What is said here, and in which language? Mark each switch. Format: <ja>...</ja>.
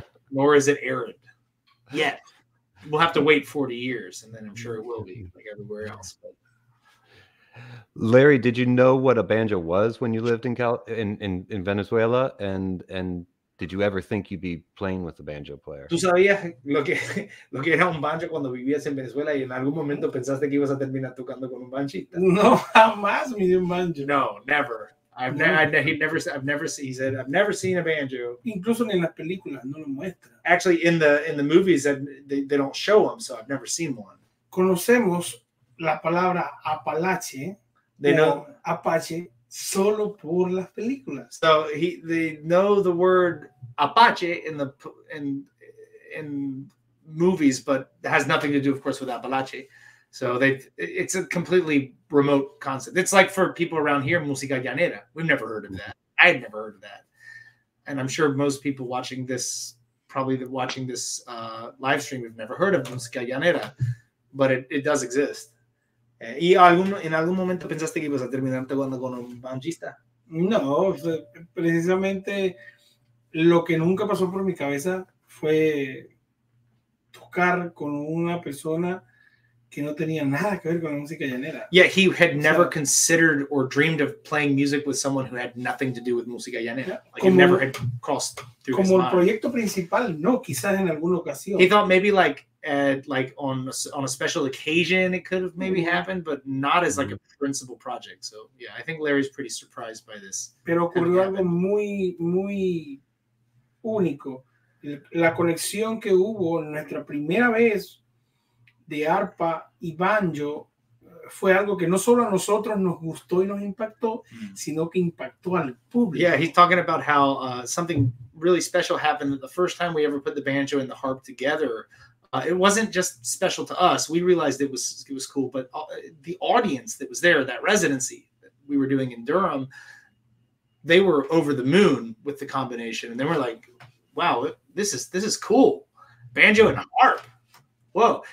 <en>Nor is it arid yet. We'll have to wait 40 years, and then I'm sure it will be like everywhere else. But Larry, did you know what a banjo was when you lived in Venezuela, and Did you ever think you'd be playing with a banjo player?</en> <es>¿Tú sabías lo que era un banjo cuando vivías en Venezuela y en algún momento pensaste que ibas a terminar tocando con un banjista? No, jamás me dio un banjo.</es> <en>No, never. I've never seen a banjo.</en> <es>Incluso en las películas no lo muestra.</es> <en>Actually, in the movies they don't show them, so I've never seen one.</en> <es>Conocemos la palabra Apalache.</es> <en>They know</en> <es>Apache solo por las películas.</es> <en>So they know the word Apache in movies, but it has nothing to do, of course, with Apalache. So it's a completely remote concept. It's like for people around here, música llanera. We've never heard of that. I had never heard of that. And I'm sure most people watching this live stream have never heard of música llanera, but it does exist.</en> <es>¿Y en algún momento pensaste que ibas a terminar tocando con un banjista? No, precisamente lo que nunca pasó por mi cabeza fue tocar con una persona que no tenía nada que ver con la música llanera.</es> <en>Yeah, he had never considered or dreamed of playing music with someone who had nothing to do with música llanera. Like, he never had crossed through his mind.</en> <es>Como el proyecto principal, no, quizás en alguna ocasión.</es> <en>He thought maybe on a special occasion it could have maybe happened, but not as like a principal project. So yeah, I think Larry's pretty surprised by this.</en> <es>Pero ocurrió algo muy muy único. La conexión que hubo nuestra primera vez de arpa y banjo fue algo que no solo a nosotros nos gustó y nos impactó, sino que impactó al público.</es> <en>Yeah, he's talking about how something really special happened the first time we ever put the banjo and the harp together. It wasn't just special to us. We realized it was cool, but the audience that was there, that residency that we were doing in Durham, they were over the moon with the combination, and they were like, "Wow, this is cool, banjo and harp, whoa!"</en>